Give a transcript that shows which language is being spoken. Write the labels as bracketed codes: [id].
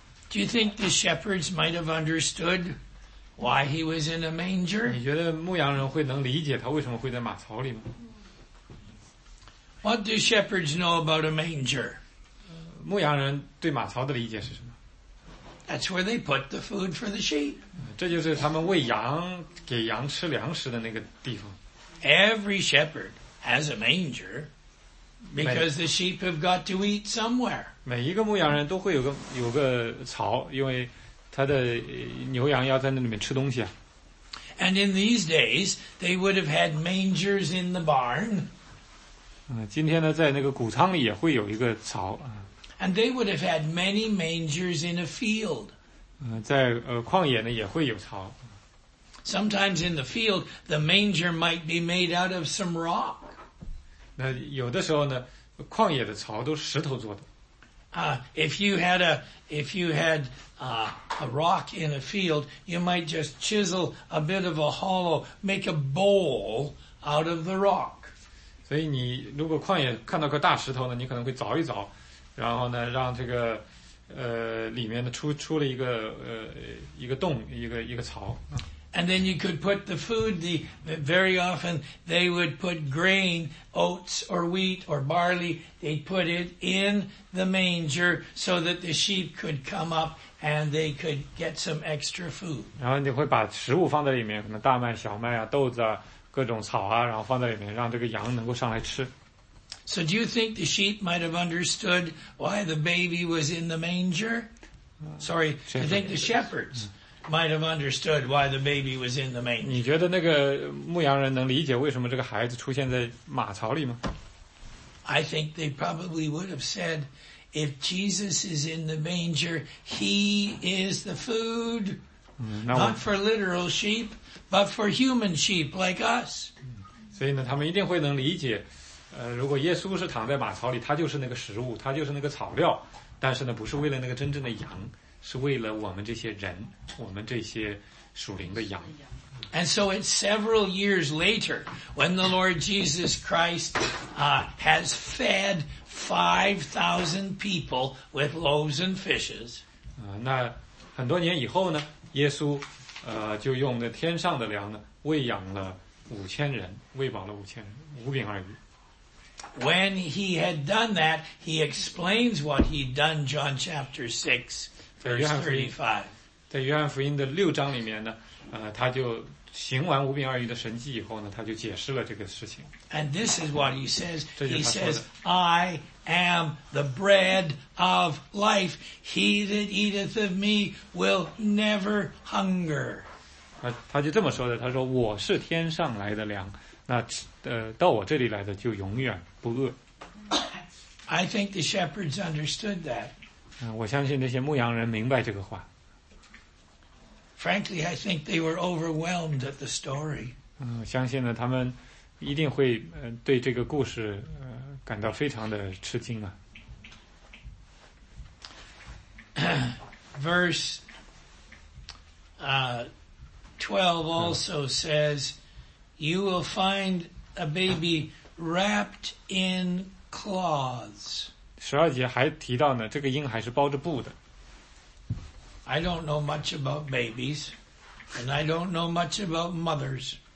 [en] Do you think the shepherds might have understood why he was in a manger? [zh] 你觉得牧羊人会能理解他为什么会在马槽里吗？ [en] What do shepherds know about a manger? [zh] 牧羊人对马槽的理解是什么？ [en] That's where they put the food for the sheep. [zh] 这就是他们喂羊给羊吃粮食的那个地方。 [en] Every shepherd has a manger because the sheep have got to eat somewhere. [zh] 每一个牧羊人都会有个槽，因为他的牛羊要在那里面吃东西啊。 [en] And in these days, they would have had mangers in the barn. [zh] 今天呢，在那个谷仓里也会有一个槽。 [en] And they would have had many mangers in a field. [zh] 在旷野呢也会有槽。 [en] Sometimes in the field, the manger might be made out of some rock. [zh] 那有的时候呢，旷野的槽都是石头做的。 [en] If you had a rock in a field, you might just chisel a bit of a hollow, make a bowl out of the rock. [zh] 所以你如果旷野看到个大石头呢，你可能会凿一凿，然后呢，让这个里面呢出了一个洞，一个槽。 [en] And then you could put the food. The very often they would put grain, oats or wheat or barley. They'd put it in the manger so that the sheep could come up and they could get some extra food. [zh] 然后你会把食物放在里面，可能大麦、小麦啊、豆子啊、各种草啊，然后放在里面，让这个羊能够上来吃。 [en] So do you think the sheep might have understood why the baby was in the manger? Sorry, do you think the shepherds? Might have understood why the baby was in the manger. [zh] 你觉得那个牧羊人能理解为什么这个孩子出现在马槽里吗？ [en] I think they probably would have said, if Jesus is in the manger, he is the food, not for literal sheep, but for human sheep like us. [zh] 所以呢，他们一定会能理解，如果耶稣是躺在马槽里，他就是那个食物，他就是那个草料，但是呢，不是为了那个真正的羊。是为了我们这些人，我们这些属灵的羊。 [en] And so it's several years later when the Lord Jesus Christ, has fed 5,000 people with loaves and fishes. [zh] 那很多年以后呢，耶稣，就用那天上的粮呢，喂养了5,000人，喂饱了5,000人，五饼二鱼。 [en] When he had done that, he explains what he'd done, John chapter 6. [zh] 在约翰福音的六章里面呢，他就行完五饼二鱼的神迹以后呢，他就解释了这个事情。 [en] And this is what he says. He says, "I am the bread of life. He that eateth of me will never hunger." [zh] 他就这么说的。他说：“我是天上来的粮，那到我这里来的就永远不饿。” [en] I think the shepherds understood that. [zh] 我相信这些牧羊人明白这个话。 [en] Frankly, I think they were overwhelmed at the story. [zh] 相信呢，他们一定会对这个故事感到非常的吃惊啊。 [en] Verse 12 also says, "You will find a baby wrapped in cloths." [zh] 十二节还提到呢，这个婴孩是包着布的。 [en] I don't know much about babies, and I don't know much about mothers.